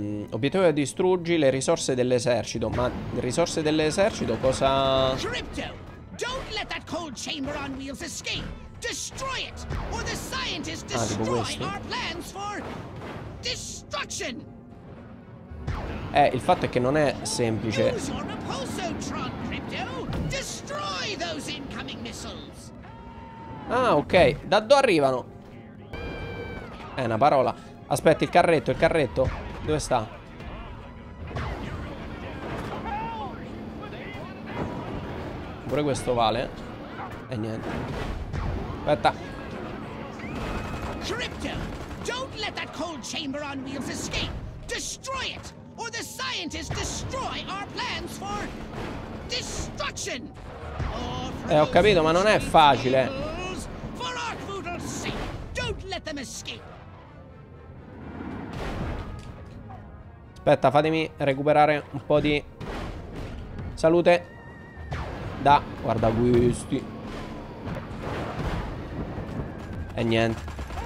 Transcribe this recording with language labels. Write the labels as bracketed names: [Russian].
[Italian] Obiettivo è distruggi le risorse dell'esercito. Ma risorse dell'esercito cosa? [English] Crypto! Don't let that cold chamber on wheels escape! Destroy it! Or the scientists destroy our plans for destruction! [Italian] Il fatto è che non è semplice. [English] Use your Raposo Tron, Crypto! Destroy those incoming missiles! [Italian] Ah, ok. Da dove arrivano? È una parola. Aspetta, il carretto. Dove sta? Pure questo vale. E niente. Aspetta. [English] Crypto, don't let that cold chamber on wheels escape. Destroy it, or the scientists destroy our plans for destruction. [Italian] Ho capito, ma non è facile. [English] For our food's sake, don't let them escape. [Italian] Aspetta, fatemi recuperare un po' di salute. Da, guarda questi. E niente.